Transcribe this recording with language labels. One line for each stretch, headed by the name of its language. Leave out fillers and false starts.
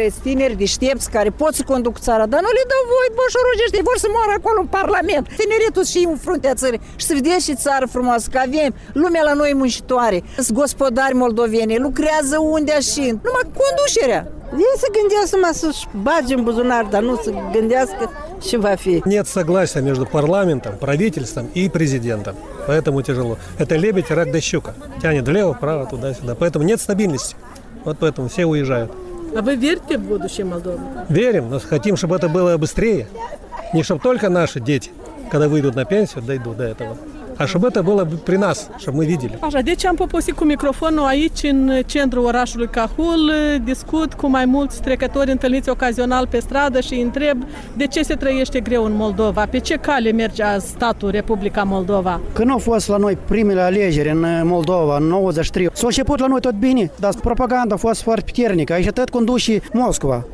Romanian: Băi, tineri deștepți care pot să conduc țara, dar nu le dau voie, băsorojii ăștia, vor să moară acolo în Parlament. Tineretul și în fruntea țării. Și să vedeți și țară frumoasă, că avem lumea la noi muncitoare. Sunt gospodari moldoveni, lucrează unde și numai conducerea. Ei se gândească mă să-și bage în buzunar, dar nu se gândească ce va fi.
Russian: Нет согласия между парламентом, правительством и президентом. Поэтому тяжело. Это лебедь, рак да щука. Тянет влево, вправо, туда-сюда. Поэтому нет стабильности. Вот поэтому все уезжают. А вы верите в будущее Молдовы? Верим, но хотим, чтобы это было быстрее. Не чтобы только наши дети, когда выйдут на пенсию, дойдут до этого. а чтобы это было при нас, чтобы мы видели.
Romanian: Așa, deci am poposit cu microfonul aici în centrul orașului Cahul, discut cu mai mulți trecători întâlniți ocazional pe stradă și îi întreb de ce se trăiește greu în Moldova, pe ce cale merge statul Republica Moldova. Când au fost la noi primele alegeri în Moldova, în 93, s-a început la noi tot bine, dar propaganda a fost foarte puternică, aici tot conduce Moscova.